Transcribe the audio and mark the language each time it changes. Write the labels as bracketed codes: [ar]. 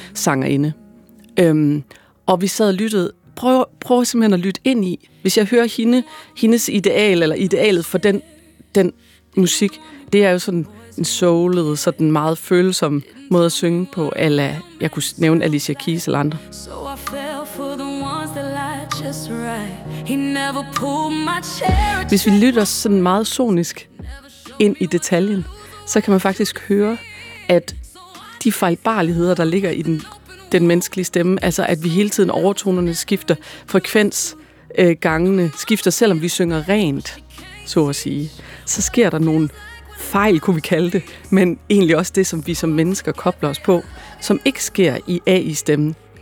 [da] Sangerinde. Og vi sad og lyttede, prøv simpelthen at lytte ind i, hvis jeg hører hendes ideal, eller idealet for den musik, det er jo sådan en soulet, sådan meget følsom måde at synge på, eller jeg kunne nævne Alicia Keys eller andre. [en] So I fell for the ones that lie just right. He never pulled my chair. [da] Hvis vi lytter sådan meget sonisk ind i detaljen, så kan man faktisk høre, at de fejlbarligheder, der ligger i den menneskelige stemme, altså at vi hele tiden overtonerne skifter, frekvensgangene skifter, selvom vi synger rent, så at sige, så sker der nogle fejl, kunne vi kalde det, men egentlig også det, som vi som mennesker kobler os på, som ikke sker i AI-stemmen,